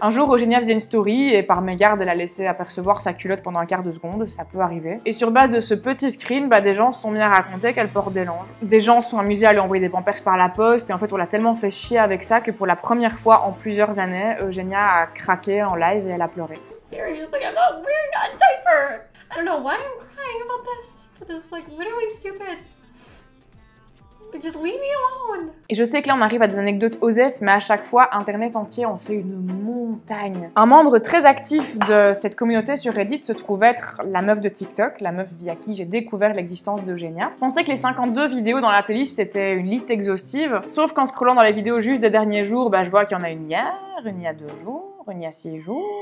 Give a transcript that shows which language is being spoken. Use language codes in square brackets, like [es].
[fr] Un jour, Eugenia faisait une story et par mégarde, elle a laissé apercevoir sa culotte pendant un quart de seconde. Ça peut arriver. Et sur base de ce petit screen, bah des gens se sont mis à raconter qu'elle porte des langes. Des gens sont amusés à lui envoyer des pampers par la poste, et en fait on l'a tellement fait chier avec ça que pour la première fois en plusieurs années, Eugenia a craqué en live et elle a pleuré. [en] Seriously, I'm not wearing a diaper! I don't know why I'm crying about this, but this is like literally stupid. Just leave me alone! [fr] Et je sais que là on arrive à des anecdotes OSEF, mais à chaque fois, internet entier en fait une montagne. Un membre très actif de cette communauté sur Reddit se trouve être la meuf de TikTok, la meuf via qui j'ai découvert l'existence d'Eugenia. Je pensais que les 52 vidéos dans la playlist c'était une liste exhaustive, sauf qu'en scrollant dans les vidéos juste des derniers jours, bah je vois qu'il y en a une hier, une il y a deux jours, il y a 6 jours.